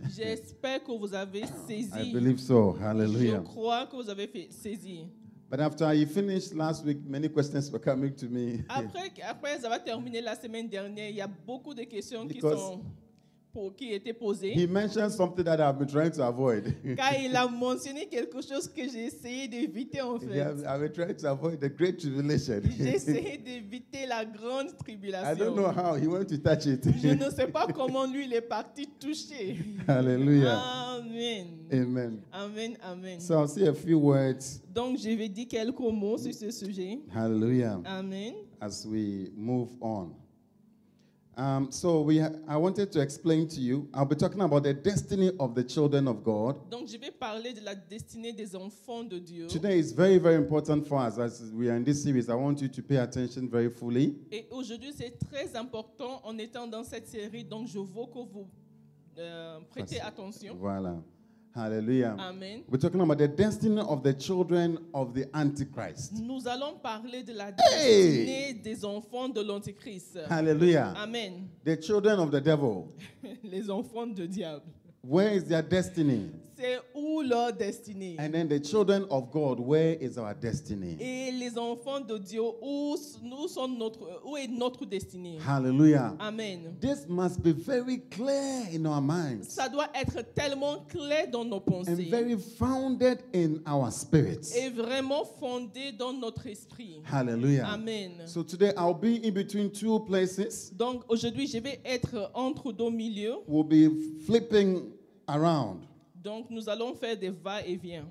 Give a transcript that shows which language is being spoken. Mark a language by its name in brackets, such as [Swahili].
[French] J'espère que vous avez saisi. [English] I believe so. Hallelujah. [French] Je crois que vous avez saisi. [English] But after you finished last week, many questions were coming to me. [French] Après avoir terminé la semaine dernière, il y a beaucoup de questions qui sont qui était posé. [English] He mentioned something that I've been trying to avoid. [French] Car il a mentionné quelque chose que j'ai essayé d'éviter en fait. [English] I've been trying to avoid the great tribulation. [French] J'essayais d'éviter la grande tribulation. [English] I don't know how he wanted to touch it. [French] Je ne sais pas comment lui il est parti toucher. Hallelujah. Amen. Amen. Amen. Amen. [English] So I'll say a few words. [French] Donc je vais dire quelques mots sur ce sujet. Hallelujah. Amen. [English] As we move on. I wanted to explain to you. I'll be talking about the destiny of the children of God. [French] Donc, je vais parler de la destinée des enfants de Dieu. [English] Today is very, very important for us as we are in this series. I want you to pay attention very fully. [French] Et aujourd'hui, c'est très important en étant dans cette série. Donc, je veux que vous prêtez attention. Voilà. Hallelujah. Amen. [English] We're talking about the destiny of the children of the Antichrist. [French] Nous allons parler de la destinée des enfants de l'Antichrist. Hallelujah. Amen. [English] The children of the devil. [French] Les enfants de diable. [English] Where is their destiny? [French] C'est où leur destinée? [English] And then the children of God, where is our destiny? [French] Et les enfants de Dieu, où est notre destinée? Hallelujah. Amen. [English] This must be very clear in our minds. [French] Ça doit être tellement clair dans nos pensées. [English] And very founded in our spirits. [French] Et vraiment fondé dans notre esprit. Hallelujah. Amen. [English] So today I'll be in between two places. [French] Donc aujourd'hui je vais être entre deux milieux. [English] We'll be flipping around. [French] Donc nous allons faire des va-et-vient.